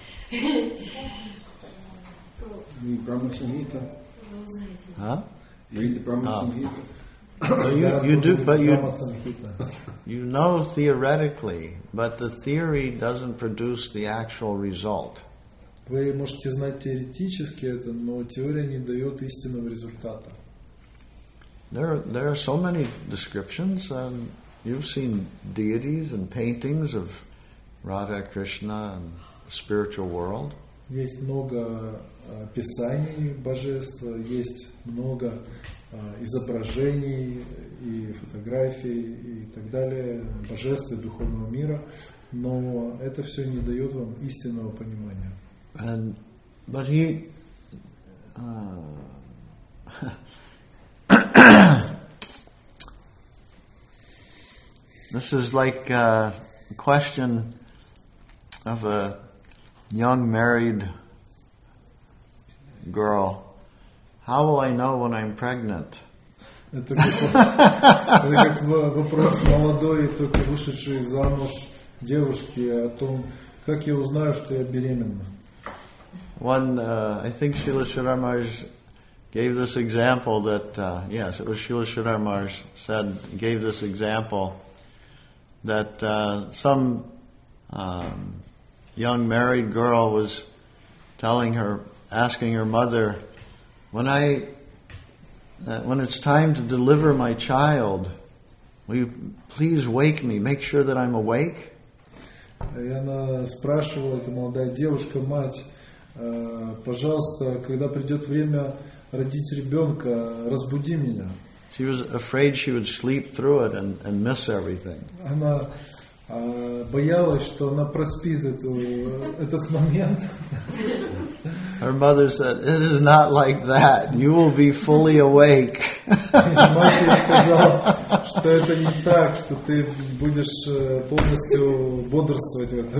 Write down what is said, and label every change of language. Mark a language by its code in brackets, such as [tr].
[en] Read Brahma Samhita. Huh? Read the Brahma Samhita. You know theoretically, but the theory doesn't produce the actual result. [ru] Вы можете знать теоретически это, но теория не дает истинного результата. [en] There are so many descriptions, and you've seen deities and paintings of Radha Krishna and the spiritual world. [ru] Есть много описаний божества, есть много изображений и фотографий и так далее, божеств и духовного мира, но это все не дает вам истинного понимания. [en] And, but he, this is like a question of a young married girl. How will I know when I'm pregnant? [ru] Это как вопрос молодой, только вышедшей замуж девушки о том, как я узнаю, что я беременна. [en] One, I think Srila Sridhar Maharaj gave this example that, yes, it was Srila Sridhar Maharaj said, gave this example that some young married girl was telling her, asking her mother, when it's time to deliver my child, will you please wake me, make sure that I'm awake? [ru] И она спрашивала, эта молодая девушка, мать, пожалуйста, когда придет время родить ребенка, разбуди меня. [en] She was afraid she would sleep through it and miss everything. [ru] Она боялась, что она проспит этот момент. [en] Her mother said, "It is not like that. You will be fully awake." [ru] Мать сказала, что это не так, что ты будешь полностью бодрствовать в это